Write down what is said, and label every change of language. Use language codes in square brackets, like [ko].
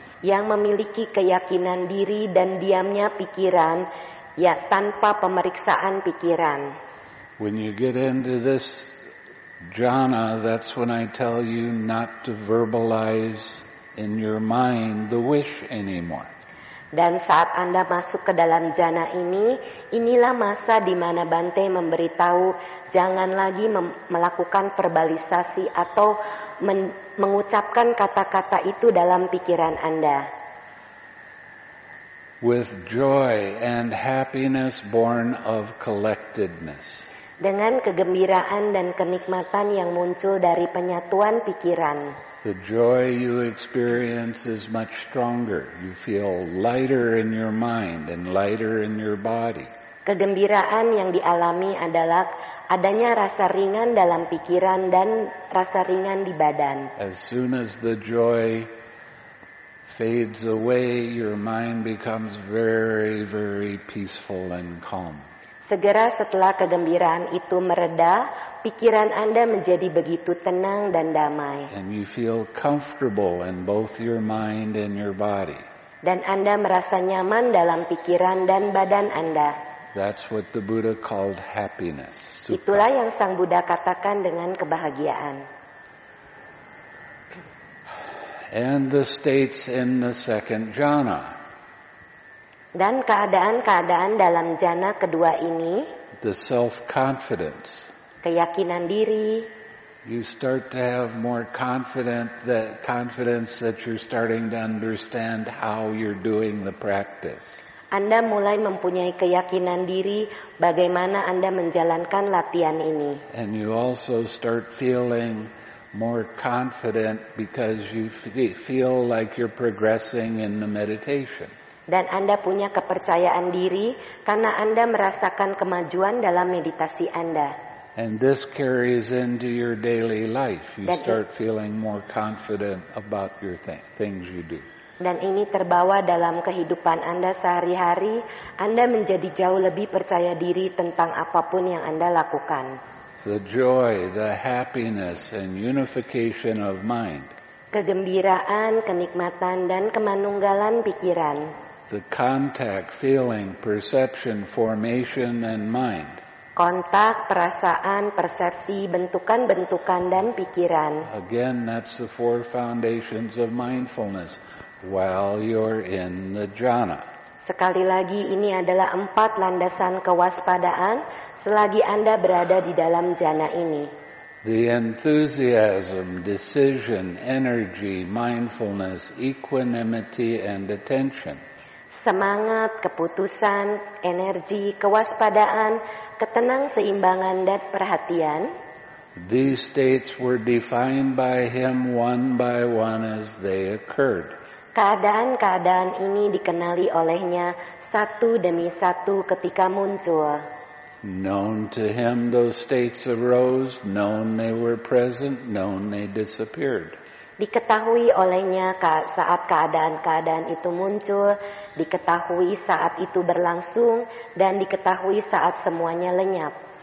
[id] Yang memiliki keyakinan diri dan diamnya pikiran, ya tanpa pemeriksaan pikiran. [en] When you get into this jhana, that's when I tell you not to verbalize in your mind the wish anymore. [id] Dan saat Anda masuk ke dalam jhana ini, inilah masa di mana Bante memberitahu jangan lagi melakukan verbalisasi atau mengucapkan kata-kata itu dalam pikiran Anda. [en] With joy and happiness born of collectedness. [id] Dengan kegembiraan dan kenikmatan yang muncul dari penyatuan pikiran. [en] The joy you experience is much stronger. You feel lighter in your mind and lighter in your body. [id] Kegembiraan yang dialami adalah adanya rasa ringan dalam pikiran dan rasa ringan di badan. [en] As soon as the joy fades away, your mind becomes very, very peaceful and calm. [id] Segera setelah kegembiraan itu mereda, pikiran Anda menjadi begitu tenang dan damai. [en] And you feel comfortable in both your mind and your body. [id] Dan Anda merasa nyaman dalam pikiran dan badan Anda. [en] That's what the Buddha called happiness. [id] Itulah yang Sang Buddha katakan dengan kebahagiaan. [en] And the states in the second jhana. [id] Dan keadaan-keadaan dalam jhana kedua ini, [en] the self-confidence, [id] keyakinan diri, [en] you start to have more confidence that you're starting to understand how you're doing the practice. [id] Anda mulai mempunyai keyakinan diri bagaimana Anda menjalankan latihan ini. [en] And you also start feeling more confident because you feel like you're progressing in the meditation. [id] Dan Anda punya kepercayaan diri karena Anda merasakan kemajuan dalam meditasi Anda. [en] And this carries into your daily life. You start feeling more confident about your things you do. [id] Dan ini terbawa dalam kehidupan Anda sehari-hari, Anda menjadi jauh lebih percaya diri tentang apapun yang Anda lakukan. [en] The joy, the happiness and unification of mind. [id] Kegembiraan, kenikmatan dan kemanunggalan pikiran. [en] The contact, feeling, perception, formation, and mind. [id] Kontak, perasaan, persepsi, bentukan-bentukan, dan pikiran. [en] Again, that's the four foundations of mindfulness while you're in the jhana. [id] Sekali lagi, ini adalah empat landasan kewaspadaan selagi Anda berada di dalam jhana ini. [en] The enthusiasm, decision, energy, mindfulness, equanimity, and attention. [id] Semangat, keputusan, energi, kewaspadaan, ketenang seimbangan dan perhatian. [en] These states were defined by him one by one as they occurred. [id] Keadaan-keadaan ini dikenali olehnya satu demi satu ketika muncul. [en] Known to him those states arose, known they were present, known they disappeared. [id] Diketahui olehnya saat keadaan-keadaan itu muncul, diketahui saat itu berlangsung, dan diketahui saat semuanya lenyap.